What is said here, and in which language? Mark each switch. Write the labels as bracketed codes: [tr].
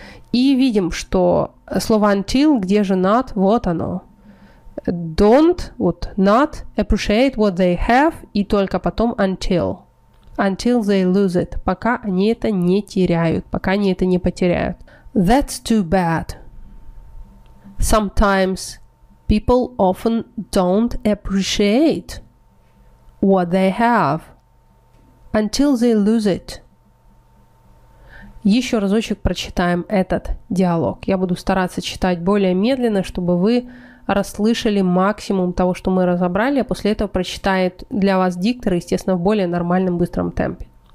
[ru] И видим, что слово until, где же not, вот оно. [en] Don't, вот not, appreciate what they have, [ru] и только потом [en] until. Until they lose it. [ru] Пока они это не теряют, пока они это не потеряют. [en] That's too bad. Sometimes people often don't appreciate what they have until they lose it. [ru] Еще разочек прочитаем этот диалог. Я буду стараться читать более медленно, чтобы вы расслышали максимум того, что мы разобрали, а после этого прочитает для вас диктор, естественно, в более нормальном быстром темпе.